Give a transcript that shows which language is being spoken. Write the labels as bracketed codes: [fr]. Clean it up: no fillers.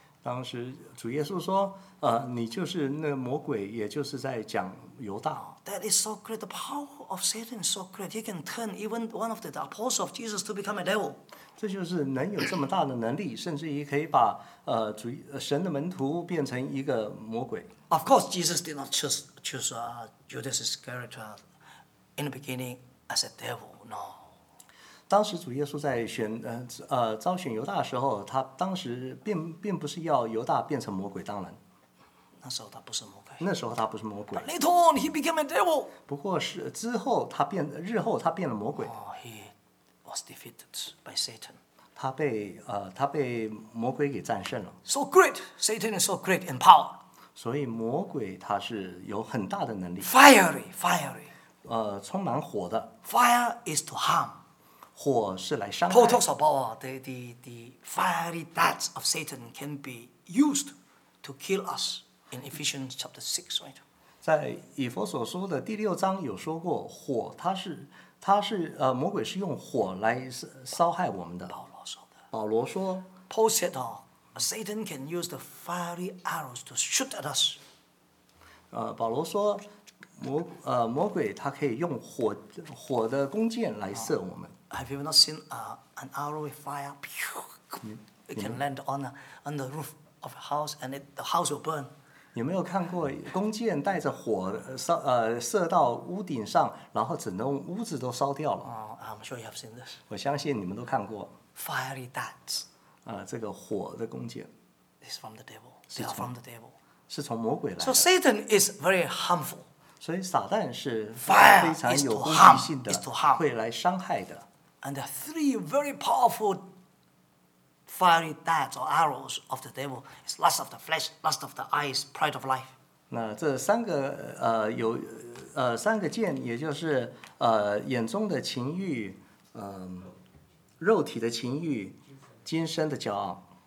[zh] 当时主耶稣说，你就是那魔鬼，也就是在讲犹大。 [en] That is so great. The power of Satan is so great. He can turn even one of the apostles of Jesus to become a devil. [zh] 这就是能有这么大的能力，甚至于可以把神的门徒变成一个魔鬼。 [en] Of course, Jesus did not choose Judas Iscariot in the beginning as a devil. No. [zh] 当时主耶稣在招选犹大的时候，他当时并不是要犹大变成魔鬼，当然。那时候他不是魔鬼。那时候他不是魔鬼。 [en] But later on, he became a devil. [zh] 不过是之后他变，日后他变了魔鬼。 [en] Oh, he was defeated by Satan. [zh] 他被魔鬼给战胜了。 [en] So great, Satan is so great in power. [zh] 所以魔鬼他是有很大的能力。 [en] Fiery, fiery. [zh] 充满火的。 [en] Fire is to harm. [zh] 火是来伤害。 [en] Paul talks about the fiery darts of Satan can be used to kill us in Ephesians chapter 6, right? [zh] 在以弗所书的第六章有说过，火它是魔鬼是用火来烧害我们的。保罗说的。保罗说 [en] ，Paul said, Satan can use the fiery arrows to shoot at us. [zh] 保罗说。魔鬼他可以用 火的弓箭来射我们。 [en] Have you not seen an arrow with fire? It can land on the roof of a house and the house will burn. [zh] 你没有看过弓箭带着火射到屋顶上，然后整栋屋子都烧掉了。 [en] I'm sure you have seen this. [zh] 我相信你们都看过。 [en] Fiery darts. [zh] 这个火的弓箭。 [en] It's from the devil. They are from the devil. [zh] 是从魔鬼来的。 [en] So Satan is very harmful. [zh] 所以撒旦是非常有攻击性的，会来伤害的。 [en] And the three very powerful fiery darts or arrows of the devil is lust of the flesh, lust of the eyes, pride of life. [zh] 那这三个有三个箭，也就是眼中的情欲，肉体的情欲，今生的骄傲。